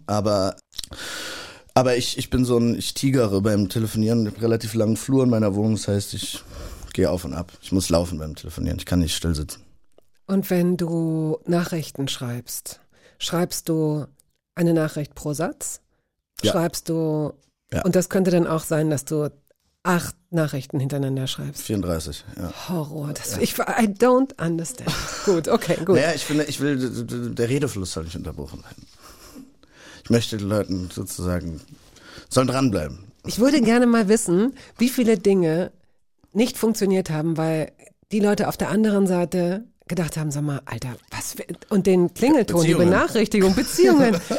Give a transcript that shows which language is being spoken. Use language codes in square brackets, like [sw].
[de] Aber ich bin so ein, ich tigere beim Telefonieren, ich habe relativ langen Flur in meiner Wohnung, das heißt, ich gehe auf und ab. Ich muss laufen beim Telefonieren, ich kann nicht still sitzen. Und wenn du Nachrichten schreibst, schreibst du eine Nachricht pro Satz? Ja. Schreibst du... Ja. Und das könnte dann auch sein, dass du 8 Nachrichten hintereinander schreibst. 34, ja. [en] Horror, I don't understand. [de] Gut, okay, gut. Naja, ich will, der Redefluss soll nicht unterbrochen werden. Ich möchte den Leuten sozusagen, sollen dranbleiben. Ich würde gerne mal wissen, wie viele Dinge nicht funktioniert haben, weil die Leute auf der anderen Seite gedacht haben, sag mal, Alter, was, und den Klingelton, die Benachrichtigung, Beziehungen.